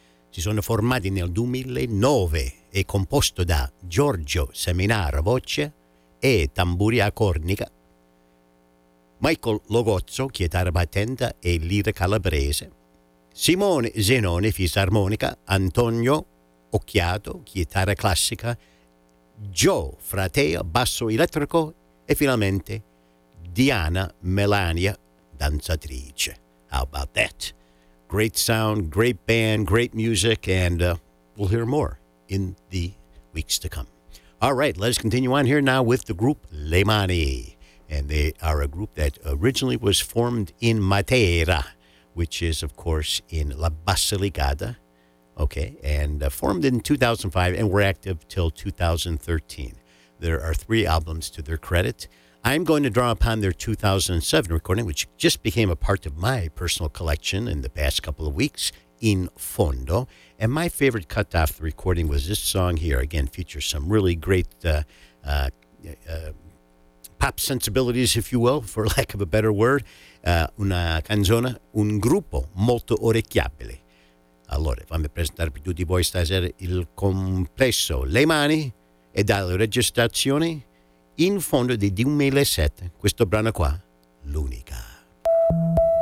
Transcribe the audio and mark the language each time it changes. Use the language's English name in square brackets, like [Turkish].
[Italian] Si sono formati nel 2009 e composto da Giorgio Seminar voce e tamburia cornica, Michael Logozzo chitarra battente e lira calabrese, Simone Zenone fisarmonica, Antonio Occhiato chitarra classica, Joe Fratea basso elettrico e finalmente Diana Melania danzatrice. [English] How about that? Great sound, great band, great music, and we'll hear more in the weeks to come. All right, let's continue on here now with the group Le Mani. And they are a group that originally was formed in Matera, which is, of course, in La Basilicata. Okay, and formed in 2005 and were active till 2013. There are three albums to their credit. I'm going to draw upon their 2007 recording, which just became a part of my personal collection in the past couple of weeks, In Fondo. And my favorite cut off the recording was this song here. Again, features some really great pop sensibilities, if you will, for lack of a better word. [Italian] Una canzone, un gruppo molto orecchiabile. Allora, fammi presentare per tutti voi stasera il complesso Le Mani e dalle registrazioni In Fondo di 2007, questo brano qua, L'Unica.